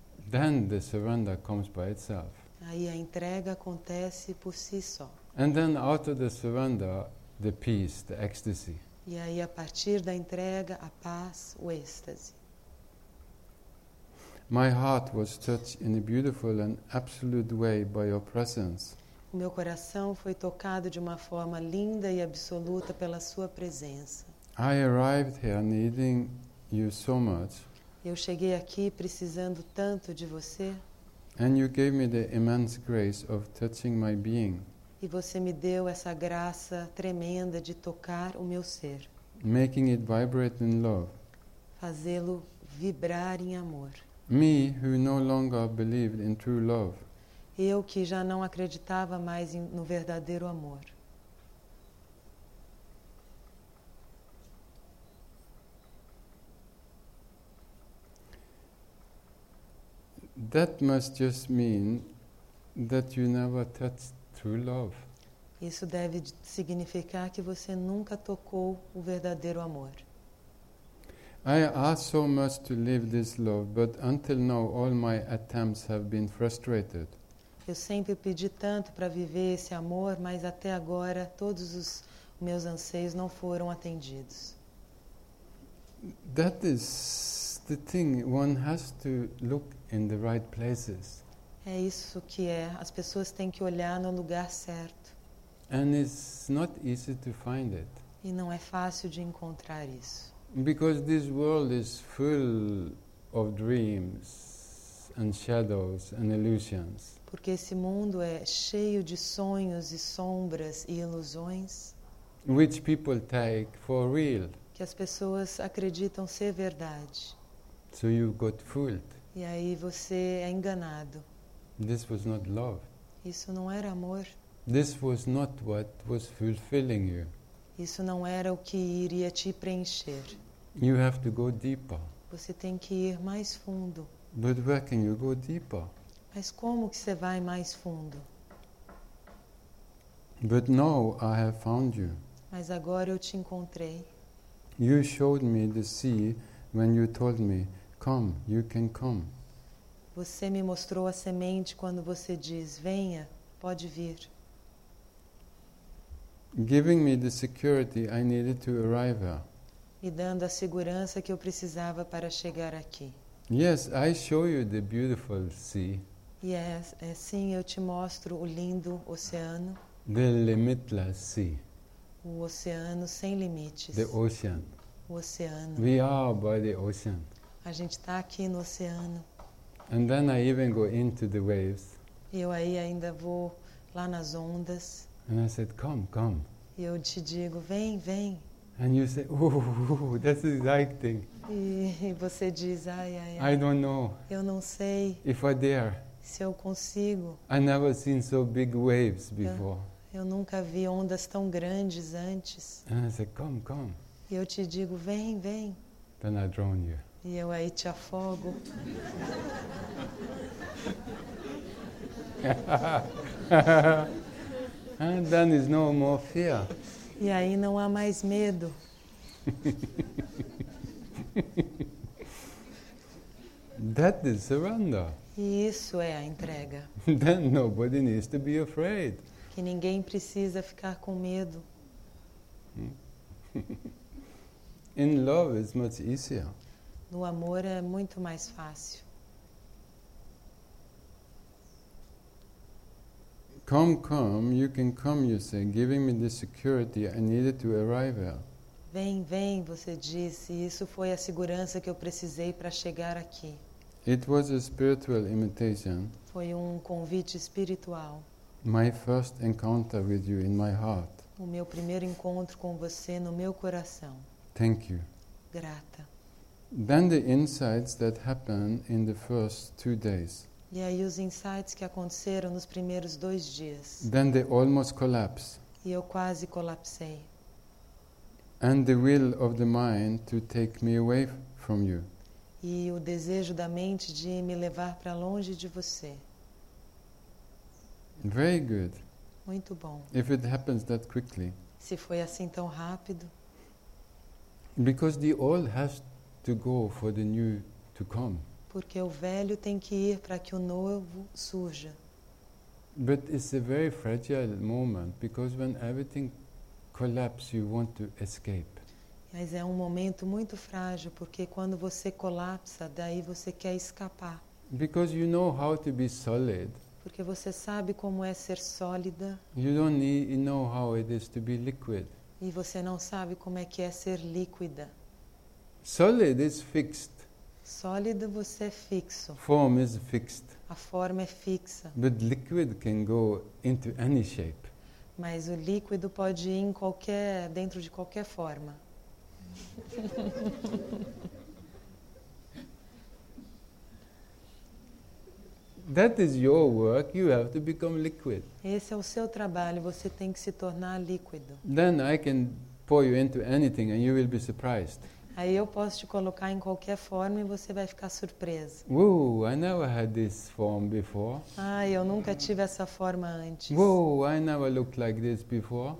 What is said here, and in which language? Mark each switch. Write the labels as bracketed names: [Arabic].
[English] Then the surrender comes by itself. [Portuguese] Aí a entrega acontece por si só. [English] And then, out of the surrender, the peace, the ecstasy. [Portuguese] E aí, a partir da entrega, a paz, o êxtase. [English] My heart was touched in a beautiful and absolute way by your presence. [Portuguese] O meu coração foi tocado de uma forma linda e absoluta pela sua presença. [English] I arrived here needing you so much. [Portuguese] Eu cheguei aqui precisando tanto de você. [English] And you gave me the immense grace of touching my being. [Portuguese] E você me deu essa graça tremenda de tocar o meu ser. [English] Making it vibrate in love. [Portuguese] Fazê-lo vibrar em amor. [English] Me, who no longer believed in true love. [Portuguese] Eu que já não acreditava mais no verdadeiro amor. [English] That must just mean that you never touched true love. [Portuguese] Isso deve significar que você nunca tocou o verdadeiro amor. [English] I ask so much to live this love, but until now all my attempts have been frustrated. [Portuguese] Eu sempre pedi tanto para viver esse amor, mas até agora todos os meus anseios não foram atendidos. [English] That is the thing, one has to look in the right places. [Portuguese] É isso que é, as pessoas têm que olhar no lugar certo. [English] And it's not easy to find it. [Portuguese] E não é fácil de encontrar isso. [English] Because this world is full of dreams and shadows and illusions. [Portuguese] Porque esse mundo é cheio de sonhos e sombras e ilusões. [English] Which people take for real. [Portuguese] Que as pessoas acreditam ser verdade. [English] So you got fooled. [Portuguese] E aí você é enganado. [English] This was not love. [Portuguese] Isso não era amor. [English] This was not what was fulfilling you. [Portuguese] Isso não era o que iria te preencher. [English] You have to go deeper. [Portuguese] Você tem que ir mais fundo. [English] But where can you go deeper? [Portuguese] Mas como que você vai mais fundo? [English] But now I have found you. [Portuguese] Mas agora eu te encontrei. [English] You showed me the sea when you told me, come, you can come. [Portuguese] Você me mostrou a semente quando você diz, venha, pode vir. [English] Giving me the security I needed to arrive here. [Portuguese] Me dando a segurança que eu precisava para chegar aqui. [English] Yes, I show you the beautiful sea. [Portuguese] Yes, sim, eu te mostro o lindo oceano. [English] The limitless sea. [Portuguese] O oceano sem limites. [English] The ocean. [Portuguese] O oceano. [English] We are by the ocean. [Portuguese] A gente está aqui no oceano. [English] And then I even go into the waves. [Portuguese] Eu aí ainda vou lá nas ondas. [English] And I said, come, come. [Portuguese] E eu te digo, vem, vem. [English] And you say, oh, that's exciting. [Portuguese] E você diz, ai, ai, ai. [English] I don't know. [Portuguese] Eu não sei. [English] If I dare. [Portuguese] Se eu consigo. [English] I never seen so big waves before. [Portuguese] Eu nunca vi ondas tão grandes antes. [English] And I said, come, come. [Portuguese] E eu te digo, vem, vem. [English] Then I drown you. [Portuguese] E eu aí te afogo. [English] And then is no more fear. [Portuguese] E aí não há mais medo. [English] That is surrender. [Portuguese] E isso é a entrega. [English] Then nobody needs to be afraid. [Portuguese] Que ninguém precisa ficar com medo. [English] In love it's much easier. [Portuguese] No amor é muito mais fácil. [English] Come, come, you can come, you say, giving me the security I needed to arrive at. [Portuguese] Vem, vem, você disse, isso foi a segurança que eu precisei para chegar aqui. [English] It was a spiritual invitation. [Portuguese] Foi um convite espiritual. [English] My first encounter with you in my heart. [Portuguese] O meu primeiro encontro com você no meu coração. [English] Thank you. [Portuguese] Grata. [English] Then the insights that happened in the first 2 days. [Portuguese] E aí os insights que aconteceram nos primeiros 2 dias. [English] Then they almost collapse. [Portuguese] E eu quase colapsei. [English] And the will of the mind to take me away from you. [Portuguese] E o desejo da mente de me levar para longe de você. [English] Very good. [Portuguese] Muito bom. [English] If it happens that quickly. [Portuguese] Se foi assim tão rápido. [English] Because the old has to go for the new to come. [Portuguese] Porque o velho tem que ir para que o novo surja. [English] But it's a very fragile moment because when everything collapses, you want to escape. [Portuguese] Mas é um momento muito frágil porque quando você colapsa, daí você quer escapar. [English] Because you know how to be solid. [Portuguese] Porque você sabe como é ser sólida. [English] You don't need to know how it is to be liquid. [Portuguese] E você não sabe como é que é ser líquida. [English] Solid is fixed. [Portuguese] Sólido você é fixo. [English] Form is fixed. [Portuguese] A forma é fixa. [English] But liquid can go into any shape. [Portuguese] Mas o líquido pode ir em qualquer, dentro de qualquer forma. [English] That is your work. You have to become liquid. [Portuguese] Esse é o seu trabalho. Você tem que se tornar líquido. [English] Then I can pour you into anything, and you will be surprised. [Portuguese] Aí eu posso te colocar em qualquer forma e você vai ficar surpresa. [English] Whoa, I never had this form before. [Portuguese] Ai, eu nunca tive essa forma antes. [English] Whoa, I never looked like this before.